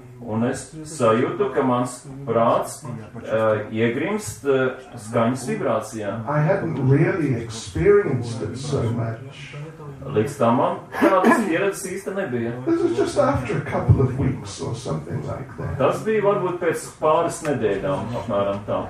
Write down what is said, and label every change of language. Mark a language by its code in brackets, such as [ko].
[lv] Un es sajūtu, ka mans prāts iegrimst skaņas vibrācijā. [en] I hadn't really experienced it so much. [lv] Līdz tam man tādas pieredzes īsti nebija. [en] This was just after a couple of weeks or something like that. [lv] Tas bija varbūt pēc pāris nedēļām, apmēram tā.